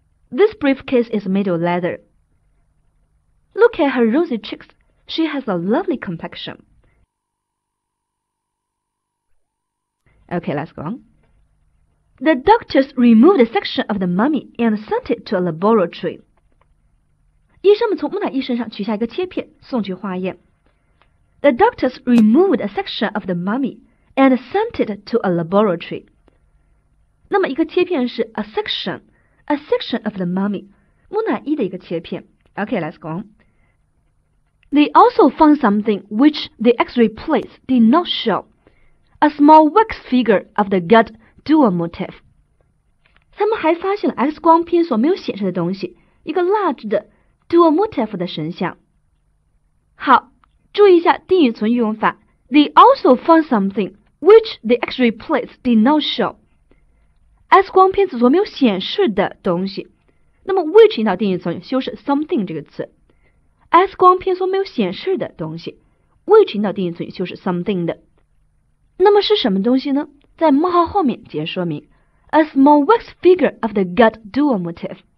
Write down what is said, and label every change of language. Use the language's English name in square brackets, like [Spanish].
[English] This briefcase is made of leather. Look at her rosy cheeks. She has a lovely complexion. Okay, let's go on. The doctors removed a section of the mummy and sent it to a laboratory. [Chinese] 医生们从木乃伊身上取下一个切片，送去化验。 [English] The doctors removed a section of the mummy and sent it to a laboratory. [Chinese] 那么一个切片是 [English] a section of the mummy, [Chinese] 木乃伊的一个切片。 [English] Okay, let's go on. They also found something which the x-ray plates did not show, a small wax figure of the god Dua motif. [Chinese] 他们还发现了 X 光片所没有显示的东西，一个蜡制的 Dua motif 的神像。好。注意一下定语从句用法 [English] They also found something which the x-ray plates did not show. [Chinese] X 光片子所没有显示的东西。那么 which 引导定语从语修饰 something 这个词。 X 光片所没有显示的东西。 Which 引导定语从语修饰 something 的。那么是什么东西呢？在冒号后面解释说明 [English] A small wax figure of the god Dua motif.